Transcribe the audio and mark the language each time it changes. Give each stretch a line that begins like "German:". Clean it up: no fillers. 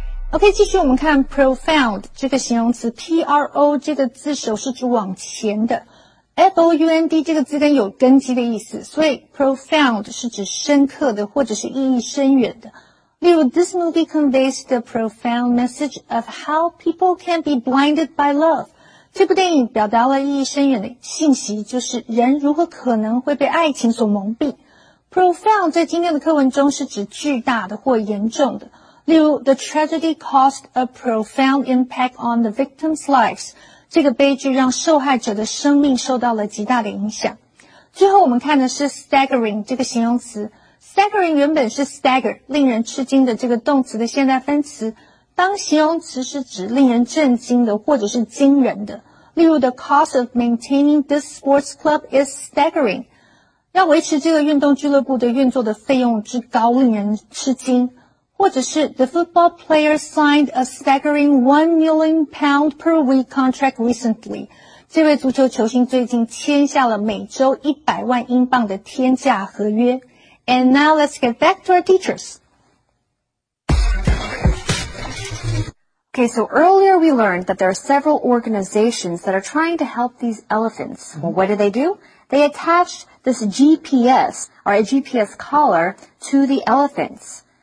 English: OK,
Chinese: 继续我们看 profound 这个形容词 PRO 这个字首是指往前的。 FOUND 这个字根有根基的意思，所以 profound 是指深刻的或者是意义深远的。例如
English: This movie conveys the profound message of how people can be blinded by love.
Chinese: 这部电影表达了意义深远的信息，就是人如何可能会被爱情所蒙蔽。 Profound 在今天的课文中是指巨大的或严重的。例如
English: The tragedy caused a profound impact on the victims' lives.
Chinese: 这个悲剧让受害者的生命受到了极大的影响。最后我们看的是 staggering 这个形容词。staggering 原本是 stagger, 令人吃惊的这个动词的现代分词。当形容词是指令人震惊的或者是惊人的。例如
English: the cost of maintaining this sports club is staggering.
Chinese: 要维持这个运动俱乐部的运作的费用之高令人吃惊。或者是
English: The football player signed a staggering £1 million per week contract recently.
Chinese: 这位足球球星最近签下了每周100万英镑的天价合约。
English: And now let's get back to our teachers. Okay, so earlier we learned that there are several organizations that are trying to help these elephants. Well, what did they do? They attached this GPS, or a GPS collar, to the elephants.